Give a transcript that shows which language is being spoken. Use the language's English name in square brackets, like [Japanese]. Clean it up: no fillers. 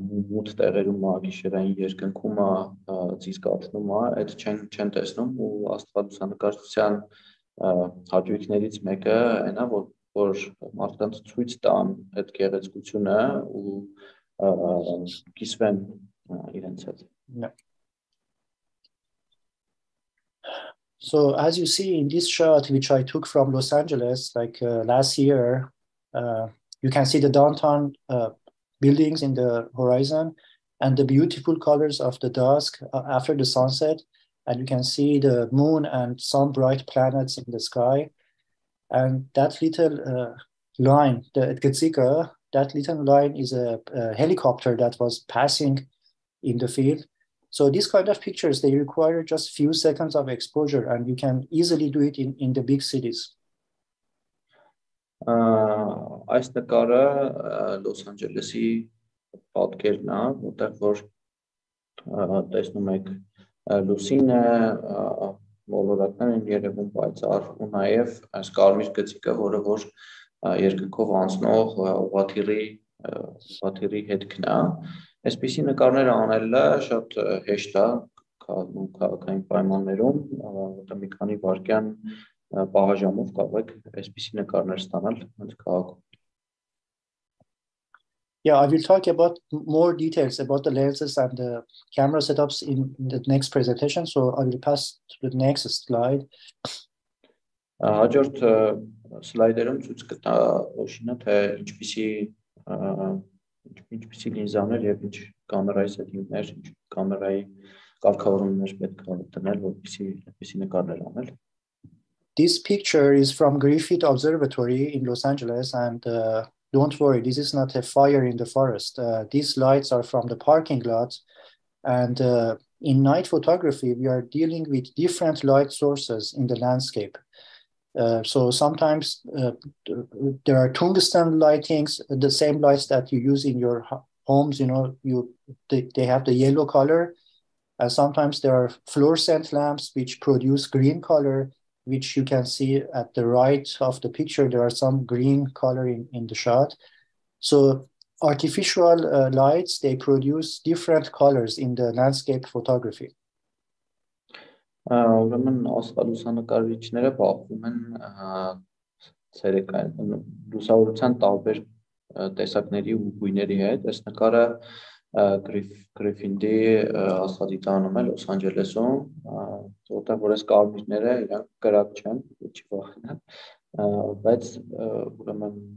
[Armenian] մութ տեղերում ա, գիշերային երկնքում ա, ցիս կաթնում ա, այդ չեն տեսնում, ու աստղալուսանկարչության հաճույքներից մեկը այն ա, որ մարդկանց ցույց տան այդ գեղեցկությունը ու կիսվեն իրենց հետ։ [English] So as you see in this shot, which I took from Los Angeles, like last year, you can see the downtown buildings in the horizon and the beautiful colors of the dusk after the sunset. And you can see the moon and some bright planets in the sky. And that little line, the Etgezika, that little line is a helicopter that was passing in the field. So these kind of pictures, they require just few seconds of exposure, and you can easily do it in the big cities. [Armenian] Այս նկարը Լոս Անջելեսի պատկերն է, որտեղ որ տեսնում եք լուսինը, մոլորակներին երևում պայծառ, ու նաև այս կարմիր գծիկը, որը որ երկնքով անցնող ուղղաթիռի հետքն է, Այսպիսի նկարները անելը շատ հեշտ է քաղաքային պայմաններում, որտեղ մի քանի վայրկյան պահաժամով կարող եք այսպիսի նկարներ ստանալ հենց քաղաքում։ [English] Yeah, I will talk about more details about the lenses and the camera setups in the next presentation. So I will pass to the next slide. [Armenian] Հաջորդ սլայդերում ցույց կտա Օշինը, թե ինչպիսի լինզաներ եւ ինչ կամերայի սետինգներ, ինչ կամերայի կարգավորումներ պետք է դնել, որպեսզի այսպիսի նկարներ անել։ [English] This picture is from Griffith Observatory in Los Angeles and don't worry, this is not a fire in the forest. These lights are from the parking lot. And in night photography, we are dealing with different light sources in the landscape. So sometimes there are tungsten lightings, the same lights that you use in your homes, you know, they have the yellow color. And sometimes there are fluorescent lamps which produce green color, which you can see at the right of the picture, there are some green color in the shot. So artificial lights, they produce different colors in the landscape photography. [Armenian] Ուրեմն աստղալուսանկարիչները բախվում են ցերեկային լուսավորության տարբեր տեսակների ու գույների հետ։ Այս նկարը Գրիֆինդի աստղադիտանում է Լոս Անջելեսում, որտեղ որ այս կարմիրները իրենք կրակ չեն, չի վախենա, բայց ուրեմն